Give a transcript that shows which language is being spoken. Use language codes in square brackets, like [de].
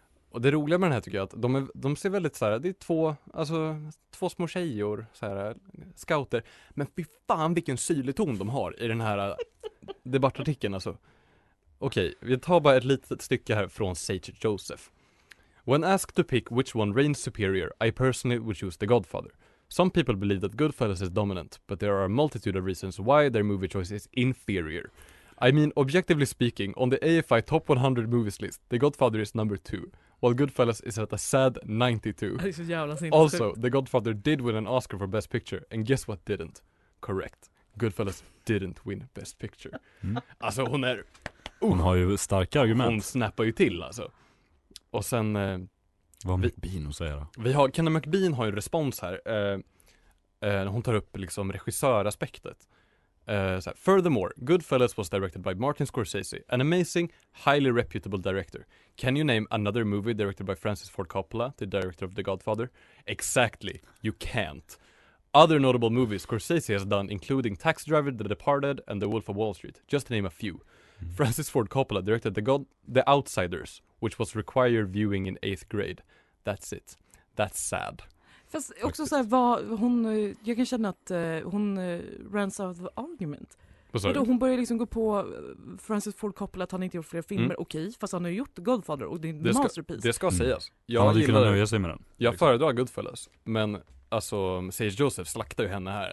[sv] Och det roliga med den här tycker jag att de ser väldigt så här, det är två små tjejor, så här scouter, men fy fan vilken syrlig ton de har i den här debattartikeln alltså. Okej, okay, vi tar bara ett litet stycke här från Sage Joseph. [en] When asked to pick which one reigns superior, I personally would choose The Godfather. Some people believe that Goodfellas is dominant, but there are a multitude of reasons why their movie choice is inferior. I mean, objectively speaking, on the AFI Top 100 movies list, The Godfather is number 2, while Goodfellas is at a sad 92. [sv] Det är så jävla sin. [en] Also, The Godfather did win an Oscar for Best Picture, and guess what didn't? Correct. Goodfellas didn't win Best Picture. Mm. [sv] Alltså, hon är... Hon har ju starka argument. Hon snappar ju till, alltså. Och sen... Vad har McBean att säga då? Kenna McBean har ju en respons här. Hon tar upp liksom regissöraspektet. [en] Furthermore, Goodfellas was directed by Martin Scorsese, an amazing, highly reputable director. Can you name another movie directed by Francis Ford Coppola, the director of The Godfather? Exactly, you can't. Other notable movies Scorsese has done, including Taxi Driver, The Departed, and The Wolf of Wall Street, just to name a few. Francis Ford Coppola directed The Outsiders, which was required viewing in 8th grade. That's it. That's sad. [sv] Fast också så här, jag kan känna att hon [en] runs out of argument. [sv] Då hon börjar liksom gå på Francis Ford Coppola att han inte gjort fler filmer. Mm. Okej, fast han har gjort Godfather och det är en masterpiece. Det ska sägas. Jag hade kunnat nöja sig med den. Jag föredrar Goodfellas, men alltså, Sage Joseph slaktar ju henne här.